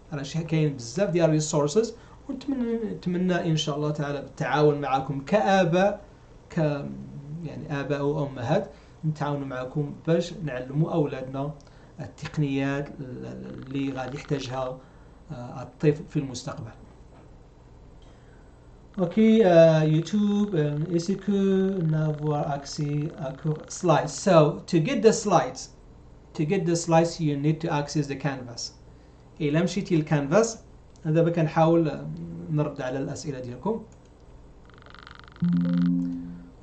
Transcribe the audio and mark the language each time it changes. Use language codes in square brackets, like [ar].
[ar] راه شي كاين بزاف ديال الريسورسز, ونتمنى ان شاء الله تعالى بالتعاون معكم كآباء, ك يعني اباء وامهات, نتعاونوا معكم باش نعلموا اولادنا التقنيات اللي غادي يحتاجها الطفل في المستقبل. [fr] Ok, YouTube, est-ce que nous avons accès à slides? [en] So, to get the slides, you need to access the canvas. [fr] Et là, je suis le canvas. Et là, je vais essayer de répondre à vos questions.